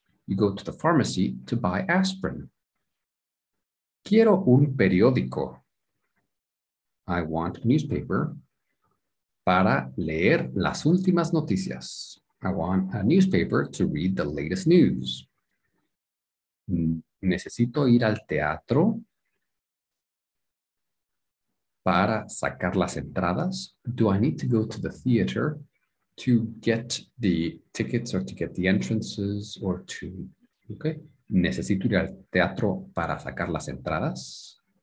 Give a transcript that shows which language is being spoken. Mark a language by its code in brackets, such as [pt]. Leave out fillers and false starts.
[en] You go to the pharmacy to buy aspirin. [es] Quiero un periódico. [en] I want a newspaper [es] para leer las últimas noticias. [en] I want a newspaper to read the latest news. [es] Necesito ir al teatro para sacar las entradas. [en] Do I need to go to the theater to get the tickets or to get the entrances or to, okay? [es] Necesito ir al teatro para sacar las entradas.